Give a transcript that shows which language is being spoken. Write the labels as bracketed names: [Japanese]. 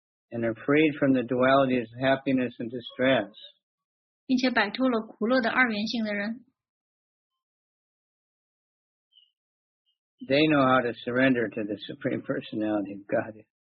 [English] And are freed from the dualities of happiness and distress. [Chinese] 并且摆脱了苦乐的二元性的人。 [English] They know how to surrender to the Supreme Personality of God.